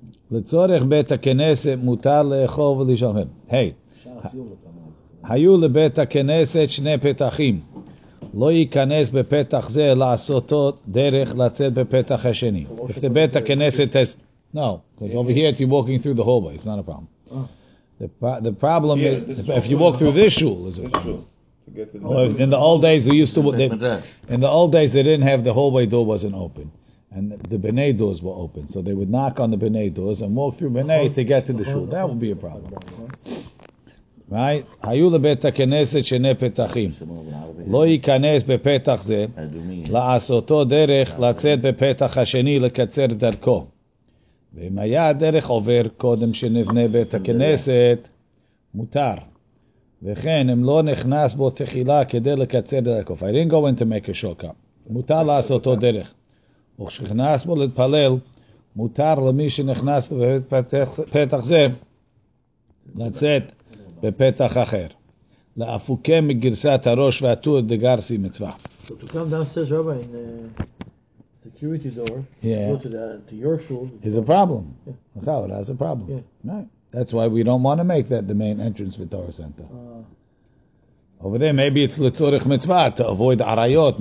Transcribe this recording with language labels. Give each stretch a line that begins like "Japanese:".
Hebrew: לצורך בית הכנסת מותר לאכול ולשלחם. היי, היו לבית הכנסת שני פתחים. לא ייכנס בפתח זה לעשותו דרך לצאת בפתח השני.
English: If the בית הכנסת has... No, because over here it's walking through the hallway, it's not a problem. The problem is if you walk through this shul, is it? In the old days they used to. In the old days they didn't have the hallway door wasn't open, and the b'nai doors were open, so they would knock on the b'nai doors and walk through b'nai to get to the shul. That would be a problem, right?
Hebrew: Hayu lebet hakneset shene petachim, lo yikanes bepetach ze laasoto derech latzed bepetach hasheni lekatzer darko. ואם היה הדרך עובר קודם שנבנה בית הכנסת, מותר. וכן, אם לא נכנס בו תחילה כדי לקצר דרך אוף.
English: I didn't go in to make a shortcut.
Hebrew: מותר לעשותו דרך. וכשנכנס בו להתפלל, מותר למי שנכנס בפתח זה לצאת בפתח אחר. לאפוקי מגרסת הראש והטור דגרסי מצווה.
English: So to come downstairs, Rabbi, in the security door, yeah, go to your shul. Is a problem. Yeah. Well, that's a problem. Yeah. Right. That's why we don't want to make that the main entrance for Torah Center. Over there, maybe it's Litzorich Mitzvah to avoid Arayot.